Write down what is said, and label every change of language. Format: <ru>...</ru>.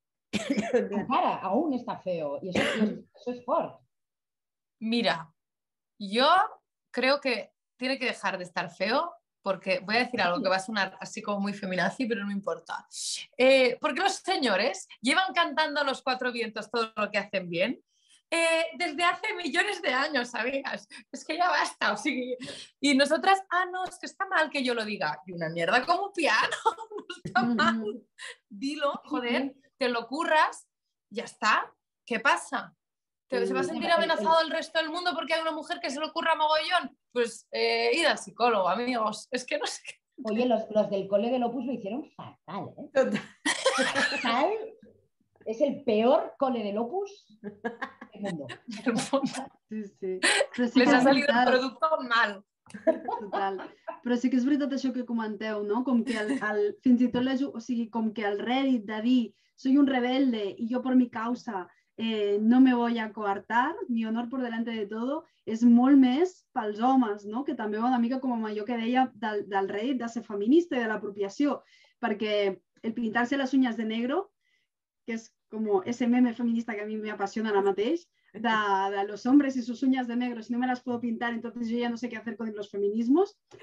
<ca>Encara, aún està feo i això és fort.</ca> <es>Mira, jo creo que tiene que dejar de estar feo, porque voy a decir algo que va a sonar así como muy feminazi, pero no me importa. Porque los señores llevan cantando a los cuatro vientos todo lo que hacen bien desde hace millones de años, ¿sabías? Es que ya basta, o sea, y nosotras, no, es que está mal que yo lo diga, y una mierda como un piano, no está mal, dilo, joder. Te lo curras, ya está. ¿Qué pasa? ¿Se va a sentir amenazado el resto del mundo porque hay una mujer que se lo curra mogollón? Pues id al psicólogo, amigos. Es que no sé qué. Oye, los del cole del Opus lo hicieron fatal, ¿eh? Cal es el peor cole del Opus del mundo. Sí, sí. Les ha salido el producto mal. Total.</es> <ca>Però sí que és veritat això que comenteu, no? Com que el, fins i tot la, o sigui, com que el rèdit de dir soy un rebelde i jo per mi causa</ca> <es>no me voy a coartar, mi honor por delante de todo,</es> <ca>és molt més pels homes, no? Que també va una mica com amb allò que deia del rèdit de ser feminista i de l'apropiació, perquè el pintar-se les uñas de negro, que és com ese meme feminista que a mi m'apassiona ara mateix,</ca> <es>de los hombres y sus uñas de negro, si no me las puedo pintar, entonces yo ya no sé qué hacer con los feminismos.</es>